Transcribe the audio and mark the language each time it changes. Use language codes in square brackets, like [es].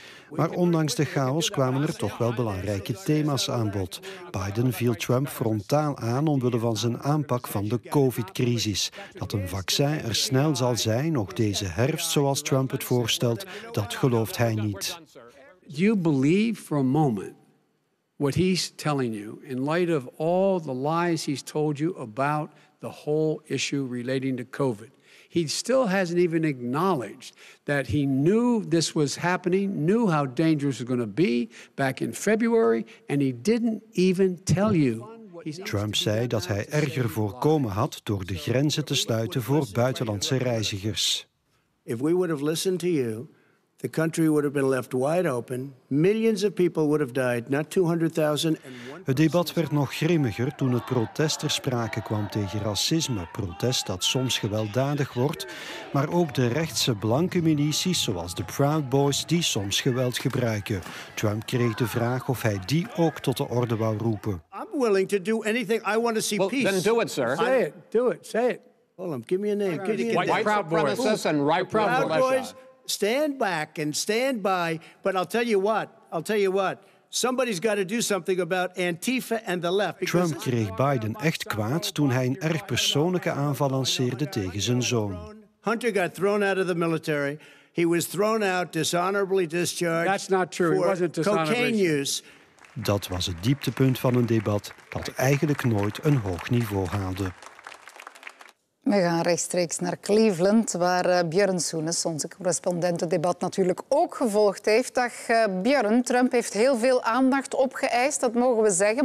[nl] Maar ondanks de chaos kwamen er toch wel belangrijke thema's aan bod. Biden viel Trump frontaal aan omwille van zijn aanpak van de COVID-crisis. Dat een vaccin er snel zal zijn, nog deze herfst zoals Trump het voorstelt, dat gelooft hij niet. [en] Do you believe for a moment what he's telling you in light of all the lies he's told you about the whole issue relating to COVID? He still hasn't even acknowledged that he knew this was happening, knew how dangerous it was going to be back in February, and he didn't even tell you. [nl] Trump zei dat hij erger voorkomen had door de grenzen te sluiten voor buitenlandse reizigers. [en] If we would have listened to you, the country would have been left wide open. Millions of people would have died, not 200,000. [nl] Het debat werd nog grimmiger toen het protest ter sprake kwam tegen racisme. Protest dat soms gewelddadig wordt, maar ook de rechtse blanke milities, zoals de Proud Boys, die soms geweld gebruiken. Trump kreeg de vraag of hij die ook tot de orde wou roepen. [en] I'm willing to do anything. I want to see peace. Then do it, sir. Say it. Do it. Say it. Hold on. Give me a name. White supremacists and right Proud Boys. Stand back and stand by, but I'll tell you what, somebody's got to do something about Antifa and the left. [nl] Trump kreeg Biden echt kwaad toen hij een erg persoonlijke aanval lanceerde tegen zijn zoon. [en] Hunter got thrown out of the military. He was thrown out, dishonorably discharged. That's not true. It wasn't dishonorably. Cocaine use. [nl] Dat was het dieptepunt van een debat dat eigenlijk nooit een hoog niveau haalde. We gaan rechtstreeks naar Cleveland, waar Björn Soenes, onze correspondent, het debat natuurlijk ook gevolgd heeft. Dag Björn, Trump heeft heel veel aandacht opgeëist, dat mogen we zeggen.